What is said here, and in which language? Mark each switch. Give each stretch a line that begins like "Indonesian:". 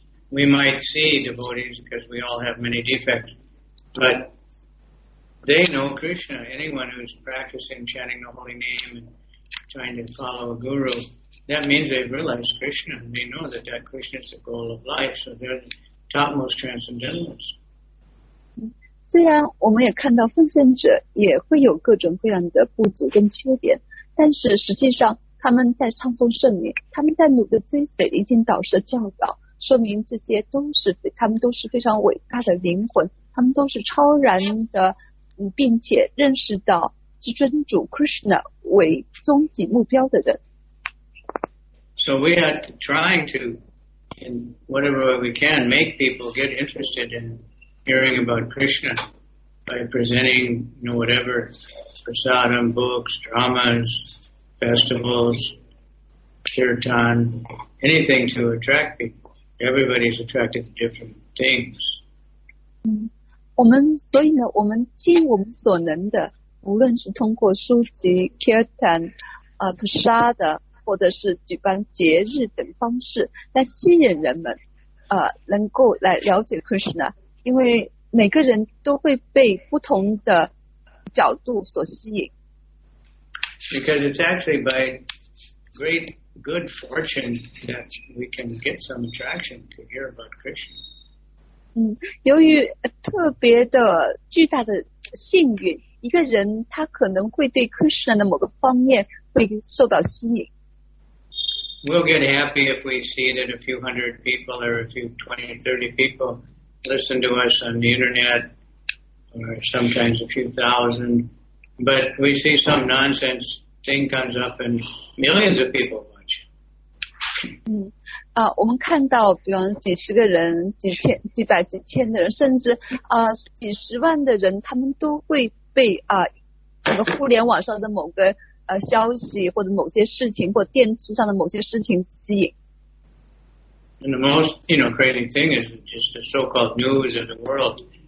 English: We might see devotees because we all have many defects, but they know Krishna. Anyone who's practicing chanting the holy name and trying to follow a guru, that means they've realized Krishna. They know that that Krishna is the goal of life, so they're the topmost transcendentalists.
Chinese: 虽然我们也看到奉献者也会有各种各样的不足跟缺点，但是实际上他们在唱诵圣名，他们在努力追随灵性导师的教导，说明这些都是他们都是非常伟大的灵魂，他们都是超然的，并且认识到至尊主 Krishna 为终极目标的人。
English: So we are trying to, in whatever way we can, make people get interested in hearing about Krishna by presenting, you know, whatever, prasadam, books, dramas, festivals, kirtan, anything to attract people. Everybody's attracted to different things.
Chinese: 我们所以呢，我们尽我们所能的，无论是通过书籍、kirtan、prasada 或者是举办节日等方式，来吸引人们，能够来了解 Krishna。因为每个人都会被不同的角度所吸引。
English: Because it's actually by great good fortune that we can get some attraction to hear about Krishna.
Chinese: 由于特别的巨大的幸运，一个人他可能会对 Krishna 的某个方面会受到吸引。
English: We'll get happy if we see that a few hundred people or a few 20, 30 people listen to us on the internet, or sometimes a few thousand, but we see some nonsense thing comes up and millions of people watch.
Chinese: 我们看到比方几十个人、几千、几百、几千的人，甚至几十万的人，他们都会被整个互联网上的某个消息或者某些事情或电视上的某些事情吸引。
English: And the most, you know, crazy thing is just the so-called news of the world.